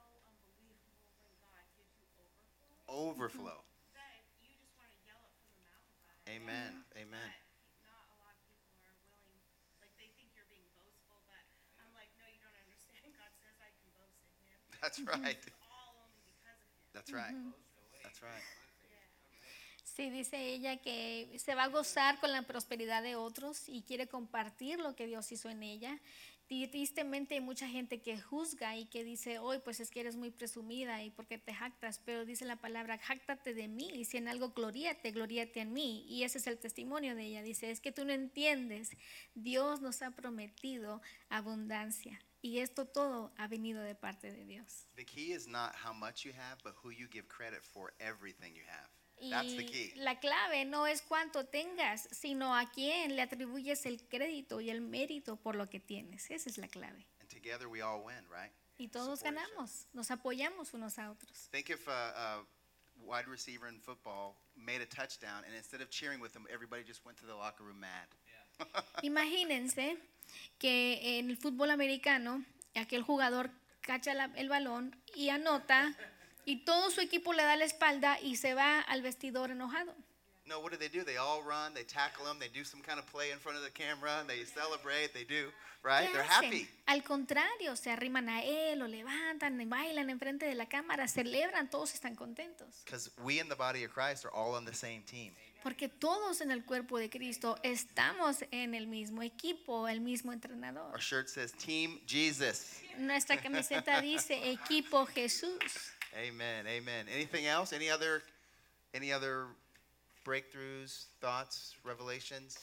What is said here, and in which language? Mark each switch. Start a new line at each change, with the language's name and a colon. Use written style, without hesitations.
English: And it's so unbelievable when God gives you overflow. Overflow. That you just want to yell up from the mountain. Amen. Amen. Not a lot of people are willing, like they think you're being boastful, but I'm like, no, you don't understand. God says I can boast in him. That's right. It's all only because of him. That's right. Mm-hmm. That's right.
Spanish: Sí, dice ella que se va a gozar con la prosperidad de otros y quiere compartir lo que Dios hizo en ella. Y tristemente hay mucha gente que juzga y que dice, hoy pues es que eres muy presumida y porque te jactas, pero dice la palabra, jáctate de mí y si en algo gloríate, gloríate en mí. Y ese es el testimonio de ella, dice, es que tú no entiendes, Dios nos ha prometido abundancia y esto todo ha venido de parte de Dios.
English: The key is not how much you have, but who you give credit for everything you have.
Spanish: Y la clave no es cuánto tengas, sino a quién le atribuyes el crédito y el mérito por lo que tienes. Esa es la clave.
English: And together we all win, right?
Spanish: Y todos ganamos, nos apoyamos unos a otros.
English: Think if a wide receiver in football made a touchdown and instead of cheering with him, everybody just went to the locker room mad. Yeah.
Spanish: Imagínense que en el fútbol americano, aquel jugador cacha el balón y anota... Y todo su equipo le da la espalda y se va al vestidor enojado.
English: No, what do? They all run, they tackle them, they do some kind of play in front of the camera, and they celebrate, they do, right? They're happy.
Spanish: Al contrario, se arriman a él, lo levantan, bailan enfrente de la cámara, celebran, todos están contentos.
English: Because we in the body of Christ are all on the same team.
Spanish: Porque todos en el cuerpo de Cristo estamos en el mismo equipo, el mismo entrenador.
English: Our shirt says Team Jesus.
Spanish: Nuestra camiseta dice Equipo Jesús.
English: Amen, amen. Anything else? Any other breakthroughs, thoughts, revelations?